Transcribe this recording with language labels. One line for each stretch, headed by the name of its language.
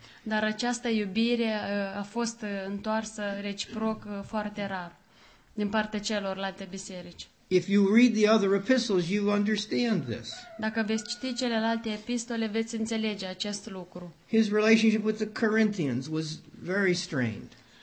Romanian: Dar această iubire a fost întoarsă reciproc foarte rar din partea celorlalte biserici.
English: If you read the other epistles, you understand this.
Romanian: Dacă veți citi celelalte epistole, veți înțelege acest lucru.
English: His relationship with the Corinthians was very strained.